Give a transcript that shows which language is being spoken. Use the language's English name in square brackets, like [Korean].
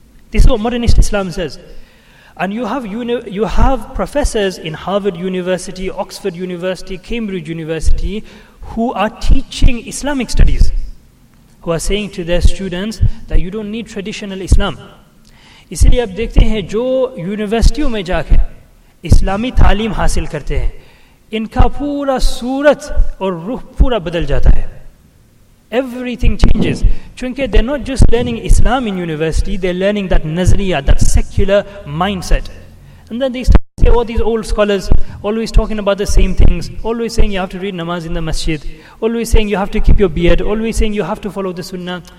[English] This is what modernist Islam says. And you have professors in Harvard University, Oxford University, Cambridge University, who are teaching Islamic studies, who are saying to their students that you don't need traditional Islam. [Hindi] इसलिए आप देखते हैं जो यूनिवर्सिटियों में जाकर इस्लामी तालीम हासिल करते हैं, इनका पूरा सूरत और रूह पूरा बदल जाता है. [English] Everything changes. Because they're not just learning Islam in university, they're learning that nazariya, that secular mindset. And then they start to say, all these old scholars always talking about the same things, always saying you have to read namaz in the masjid, always saying you have to keep your beard, always saying you have to follow the sunnah.